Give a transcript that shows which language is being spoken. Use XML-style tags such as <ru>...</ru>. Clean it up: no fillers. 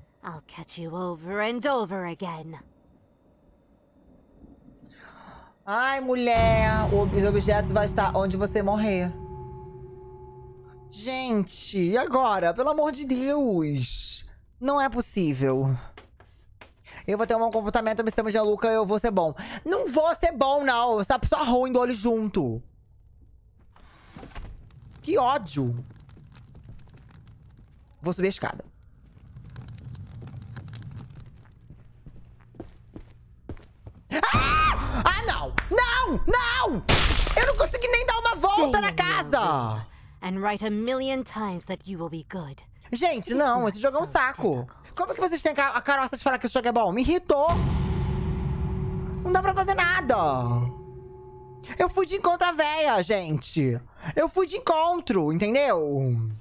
<en>I'll catch you over and over again.</en> <pt>Ai, mulher! Os objetos vão estar onde você morrer. Gente, e agora? Pelo amor de Deus! Não é possível. Eu vou ter um bom comportamento, me chamo Gianluca, eu vou ser bom. Não vou ser bom, não. Essa pessoa ruim do olho junto. Que ódio. Vou subir a escada. Ah! Ah, não! Não! Não! Eu não consegui nem dar uma volta na casa!</pt> <en>And write a million times that you will be good.</en> <pt>Gente, não, esse jogo é um saco. Como é que vocês têm a caroça de falar que esse jogo é bom? Me irritou. Não dá pra fazer nada. Eu fui de encontro à véia, gente. Eu fui de encontro, entendeu?</pt>